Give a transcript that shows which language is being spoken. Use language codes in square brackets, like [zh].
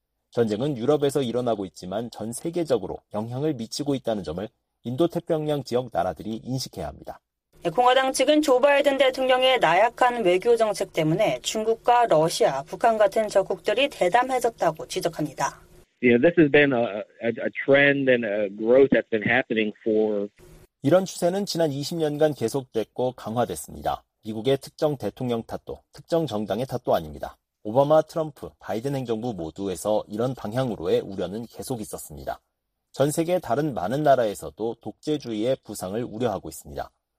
[ko] 전쟁은 유럽에서 일어나고 있지만 전 세계적으로 영향을 미치고 있다는 점을 인도태평양 지역 나라들이 인식해야 합니다. 공화당 측은 조 바이든 대통령의 나약한 외교 정책 때문에 중국과 러시아, 북한 같은 적국들이 대담해졌다고 지적합니다. [en] Yeah, this has been a trend and a growth that's been happening for [ko] 이런 추세는 지난 20년간 계속됐고 강화됐습니다. 미국의 특정 대통령 탓도, 특정 정당의 탓도 아닙니다. 오바마, 트럼프, 바이든 행정부 모두에서 이런 방향으로의 우려는 계속 있었습니다. 전 세계 다른 많은 나라에서도 독재주의의 부상을 우려하고 있습니다.